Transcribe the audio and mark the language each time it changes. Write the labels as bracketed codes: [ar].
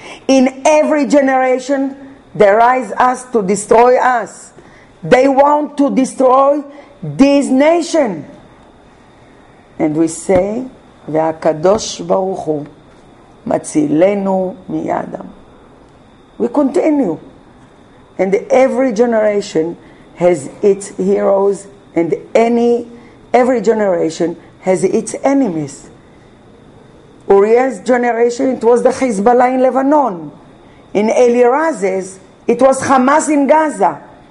[en] In every generation, they rise us to destroy us. They want to destroy this nation. [he] And we say, והקדוש ברוך הוא מצילנו מידם. [en] We continue. And every generation has its heroes and every generation has its enemies. Uriel's generation, it was the Hezbollah in Lebanon. In Eliraz's, it was Hamas in Gaza.